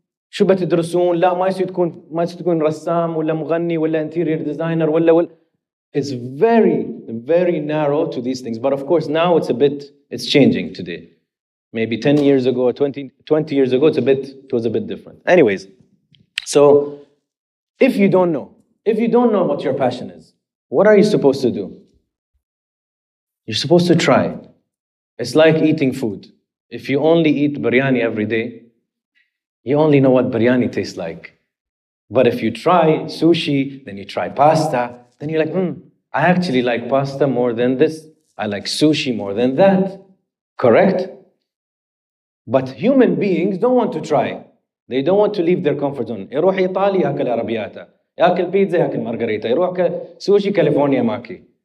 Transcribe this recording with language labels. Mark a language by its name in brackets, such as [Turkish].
[Arabic] شو بتدرسون؟ لا ما يصير تكون ما يصير تكون رسام ولا مغني ولا interior designer ولا ولا. [English] It's very, very narrow to these things. But of course, now it's a bit, it's changing today. Maybe 10 years ago, 20 years ago, it was a bit different. Anyways, so if you don't know what your passion is, what are you supposed to do? You're supposed to try. It's like eating food. If you only eat biryani every day, you only know what biryani tastes like. But if you try sushi, then you try pasta, then you're like, I actually like pasta more than this. I like sushi more than that. Correct? But human beings don't want to try. They don't want to leave their comfort zone. [Arabic] يروح إيطالي يأكل عربياتا. يأكل بيتزا يأكل مارغريتا. يروح سوشي كاليفورنيا ماكي.